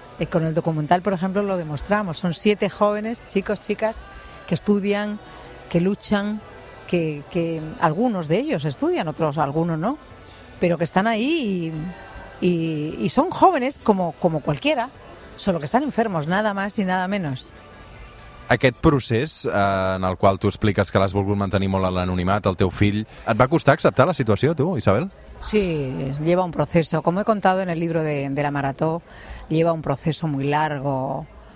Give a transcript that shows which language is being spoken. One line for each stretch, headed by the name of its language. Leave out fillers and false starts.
Spanish: Con el documental, por ejemplo, lo demostramos. Son 7 jóvenes, chicos, chicas, que estudian, que luchan, que algunos de ellos estudian, otros algunos no, pero que están ahí y son jóvenes como cualquiera, solo que están enfermos, nada más y nada menos.
Catalan: Aquest procés en el qual tu expliques que l'has volgut mantenir molt a l'anonimat, el teu fill, et va costar acceptar la situació, tu, Isabel?
Spanish: Sí, lleva un proceso. Como he contado en el libro de la Marató, lleva un proceso muy largo.